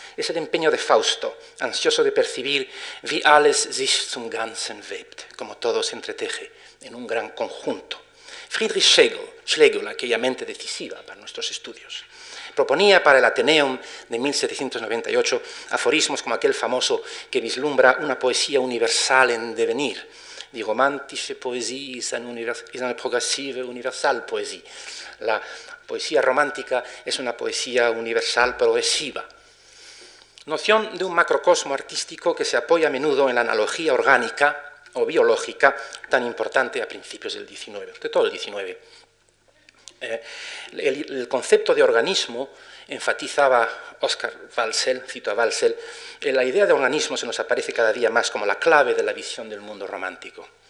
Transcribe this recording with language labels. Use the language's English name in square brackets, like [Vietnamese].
[Spanish] Es el empeño de Fausto, ansioso de percibir [German] wie alles sich zum Ganzen webt, [Spanish] como todo se entreteje en un gran conjunto. Friedrich Schlegel, aquella mente decisiva para nuestros estudios, proponía para el Ateneum de 1798 aforismos como aquel famoso que vislumbra una poesía universal en devenir. [German] Die romantische Poesie ist eine progressive universal Poesie. [Spanish] La poesía romántica es una poesía universal progresiva. Noción de un macrocosmo artístico que se apoya a menudo en la analogía orgánica o biológica tan importante a principios del XIX, de todo el XIX. El concepto de organismo enfatizaba Oscar Walsel, cito a Walsel, la idea de organismo se nos aparece cada día más como la clave de la visión del mundo romántico.